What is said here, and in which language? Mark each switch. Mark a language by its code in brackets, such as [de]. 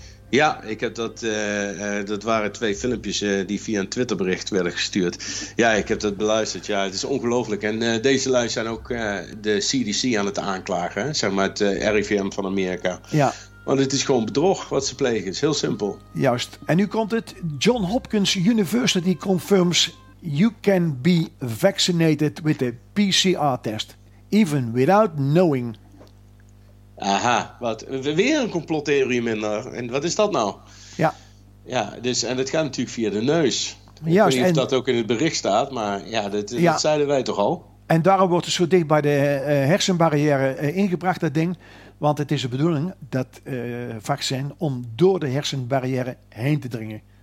[nl] Ja, ik heb dat. Dat waren 2 filmpjes die via een Twitterbericht werden gestuurd. Ja, ik heb dat beluisterd. Ja, het is ongelooflijk. En deze lui zijn ook de CDC aan het aanklagen. Hè? Zeg maar het RIVM van Amerika. Ja. Want het is gewoon bedrog wat ze plegen. Het is heel simpel. Juist. En nu komt het. [en] John Hopkins University confirms you can be vaccinated with a PCR test, even without knowing. [nl] Aha, wat? Weer een complottheorie minder. En wat is dat nou? Ja. Ja, dus, en het gaat natuurlijk via de neus. Juist, ik weet niet of dat ook in het bericht staat, maar ja, dat zeiden wij toch al. En daarom wordt het zo dicht bij de hersenbarrière ingebracht, dat ding. Want het is de bedoeling, dat vaccin, om door de hersenbarrière heen te dringen.